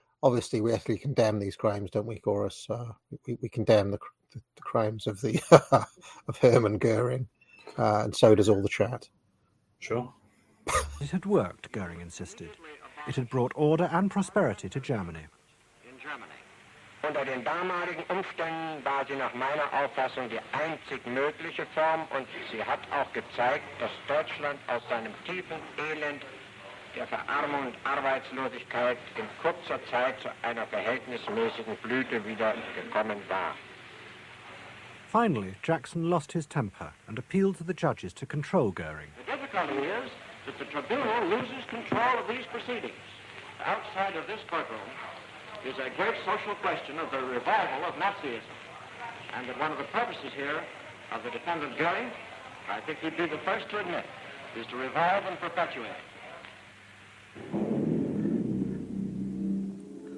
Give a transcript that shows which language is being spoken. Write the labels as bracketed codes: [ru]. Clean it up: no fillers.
[en] obviously we actually condemn these crimes, don't we, Gorus? We condemn the crimes of the of Hermann Göring, and so does all the chat. Sure. It had worked, Göring insisted. It had brought order and prosperity to Germany. In Germany. [de] Unter den damaligen Umständen war sie nach meiner Auffassung die einzig mögliche Form und sie hat auch gezeigt, dass Deutschland aus seinem tiefen Elend der Verarmung und Arbeitslosigkeit in kurzer Zeit zu einer verhältnismäßigen Blüte wieder gekommen war. [en] Finally, Jackson lost his temper and appealed to the judges to control Göring. The difficulty is that the tribunal loses control of these proceedings. Outside of this courtroom is a great social question of the revival of Nazism. And that one of the purposes here of the defendant Göring, I think he'd be the first to admit, is to revive and perpetuate.